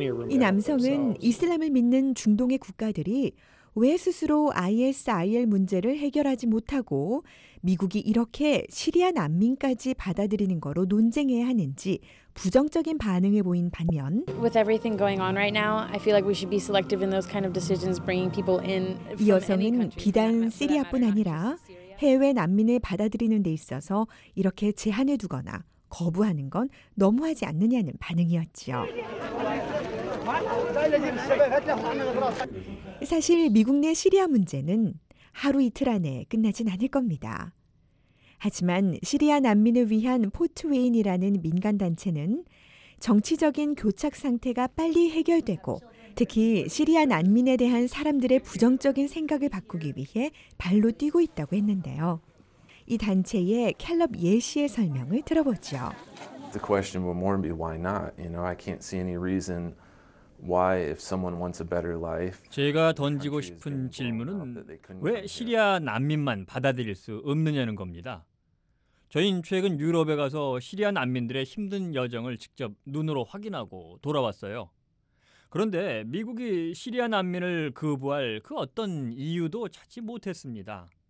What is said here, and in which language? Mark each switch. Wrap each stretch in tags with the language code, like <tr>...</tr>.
<ko>이 남성은 이슬람을 믿는 중동의 국가들이 왜 스스로 ISIL 문제를 해결하지 못하고 미국이 이렇게 시리아 난민까지 받아들이는 거로 논쟁해야 하는지 부정적인 반응을 보인 반면</ko> <en>With everything going on right now, I feel like we should be selective in those kind of decisions bringing people in from any country.</en> <ko>이 여성은 비단 시리아뿐 아니라 해외 난민을 받아들이는 데 있어서 이렇게 제한을 두거나 거부하는 건 너무하지 않느냐는 반응이었지요. 사실 미국 내 시리아 문제는 하루 이틀 안에 끝나진 않을 겁니다. 하지만 시리아 난민을 위한 포트웨인이라는 민간단체는 정치적인 교착 상태가 빨리 해결되고 특히 시리아 난민에 대한 사람들의 부정적인 생각을 바꾸기 위해 발로 뛰고 있다고 했는데요. 이 단체의 캘럽 예시의 설명을 들어보죠.</ko> <en>The question will more be why not? You know, I can't see any reason why if someone wants a better life.</en> <ko>제가 던지고 싶은 질문은 왜 시리아 난민만 받아들일 수 없느냐는 겁니다. 저희는 최근 유럽에 가서 시리아 난민들의 힘든 여정을 직접 눈으로 확인하고 돌아왔어요. 그런데 미국이 시리아 난민을 거부할 그 어떤 이유도 찾지 못했습니다.</ko>